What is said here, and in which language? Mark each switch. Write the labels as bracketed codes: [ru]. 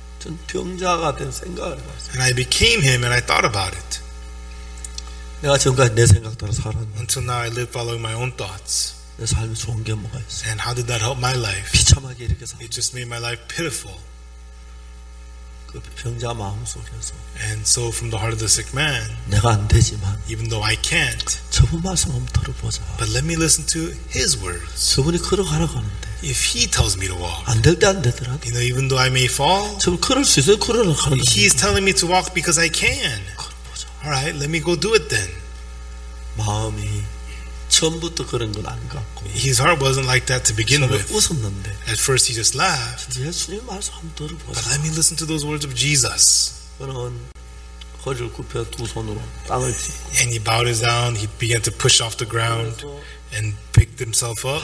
[ko] 전 병자가 된 생각을 했어요. [en] And I became him and I thought about it. [ko] 내가 지금까지 내 생각 따라 살았는데 [en] Until now I live following my own thoughts. [ko] 내 삶에 좋은 게 뭐가 있어? [en] And how did that help my life? [ko] 비참하게 이렇게 살았어요. [en] It just made my life pitiful. [ko] 그 병자 마음 속에서 [en] And so from the heart of the sick man [ko] 내가 안 되지만 [en] Even though I can't [ko] 저분 말씀 들어보자 [en] But let me listen to his words [ko] 저분이 걸어가라고 하는데 [en] If he tells me to walk [ko] 안 될 때 안 되더라도 [en] You know even though I may fall [ko] 저분 걸을 수 있어요 걸으라고 하는데 [en] He's telling me to walk because I can [ko] 걸어보자 [en] Alright let me go do it then [ko] 마음이 처음부터 그런 건 안 갖고 [en] His heart wasn't like that to begin with. [ko] 웃었는데. [en] At first he just laughed. [ko] 예수님 말씀 한번 들어보세요. [en] But let me listen to those words of Jesus. [ko] 그는 허리를 굽혀 두 손으로 땅을 짚고 [en] And he bowed his down. He began to push off the ground and picked himself up.